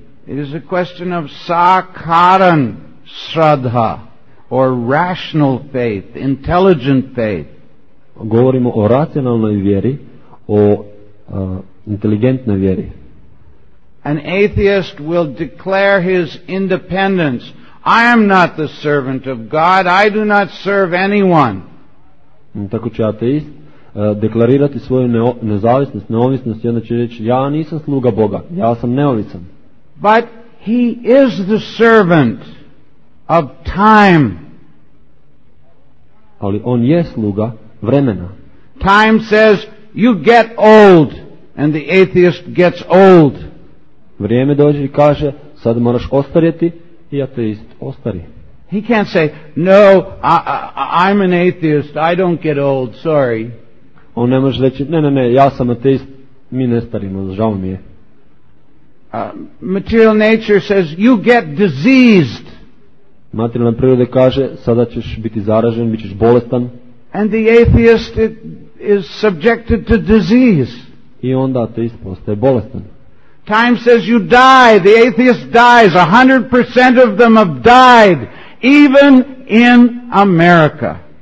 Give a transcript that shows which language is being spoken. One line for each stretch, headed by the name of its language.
English: It is a question of sakaran sraddha, or rational faith, intelligent faith.
Croatian: Govorimo o racionalnoj vjeri, o inteligentnoj vjeri.
English: An atheist will declare his independence. I am not the servant of God. I do not serve anyone.
Croatian: Tako će ateist deklarirati svoju nezavisnost, neovisnost, i onda će reći, ja nisam sluga Boga, ja sam neovisan.
English: But he is the servant of time.
Croatian: Ali on je sluga vremena.
English: Time says you get old and the atheist gets old.
Croatian: Vrijeme dođe i kaže sad moraš ostarjeti i ateist ostari.
English: He can't say no, I'm an atheist, I don't get old, sorry.
Croatian: On ne može reći ne, ja sam ateist, mi ne starimo, žao mi je.
English: Material nature says you get diseased.
Croatian: Materijalna priroda kaže sada ćeš biti zaražen, bit ćeš bolestan.
English: And the atheist is subjected to disease.
Croatian: I onda ateist postaje bolestan.
English: Time says you die, the atheist dies, 100% of them have died, even in America.